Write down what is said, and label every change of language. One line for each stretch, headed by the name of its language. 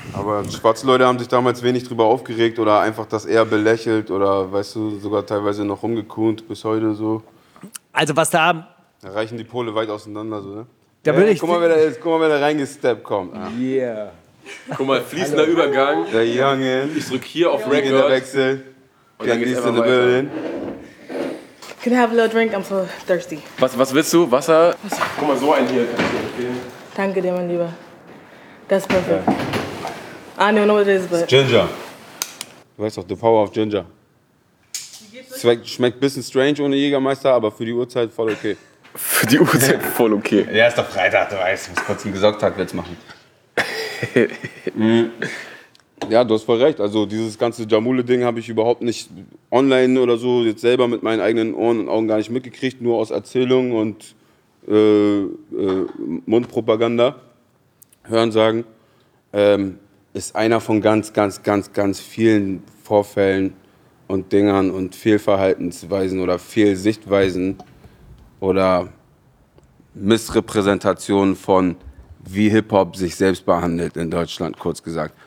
German: Aber schwarze Leute haben sich damals wenig drüber aufgeregt oder einfach das eher belächelt oder, weißt du, sogar teilweise noch rumgekuhnt bis heute so. Also was da... Da reichen die Pole weit auseinander, so, ne? Da will ich. Guck mal, wer da ist, guck mal, wer da reingesteppt kommt. Yeah. Ja. Guck mal, fließender Übergang. Der Junge. Ich drück hier auf Record. Der Wechsel. Und dann gehst du in die Berlin.
English: Could I have a little drink? I'm so thirsty.
German: Was willst du? Wasser? Wasser? Guck mal, so ein hier. Danke dir, mein Lieber.
English: That's perfect.
German: Yeah.
English: I don't know what it is, but... Ginger.
German: Du weißt doch,
English: the power of ginger.
German: Schmeckt ein bisschen strange ohne Jägermeister, aber für die Uhrzeit voll okay. Für die Uhrzeit voll okay. Ja, ist doch Freitag, du weißt, ich muss kurz einen Gesocktag jetzt machen. Ja, du hast voll recht. Also dieses ganze Jamule-Ding habe ich überhaupt nicht online oder so jetzt selber mit meinen eigenen Ohren und Augen gar nicht mitgekriegt, nur aus Erzählungen und Mundpropaganda hören sagen, ist einer von ganz, ganz, ganz, ganz vielen Vorfällen und Dingern und Fehlverhaltensweisen oder Fehlsichtweisen oder Missrepräsentationen von wie Hip-Hop sich selbst behandelt in Deutschland, kurz gesagt.